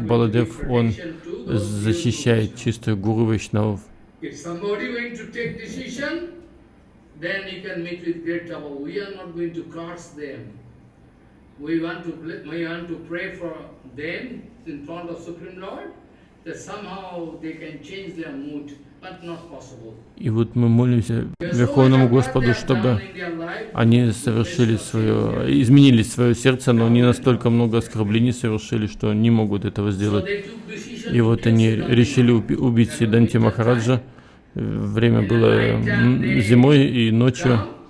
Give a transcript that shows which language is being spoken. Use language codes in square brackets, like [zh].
[ru] Баладев, он защищает чисто гуру вайшнавов. [en] If somebody is going to take decision, then you can meet with great trouble. We are not going to cross them. We want to pray for them in front of Supreme Lord, that somehow they can change their mood. [ru] И вот мы молимся Верховному Господу, чтобы они совершили свое, изменили свое сердце, но они настолько много оскорблений совершили, что не могут этого сделать. И вот они решили убить Сиддханта Махараджа. Время было зимой и ночью.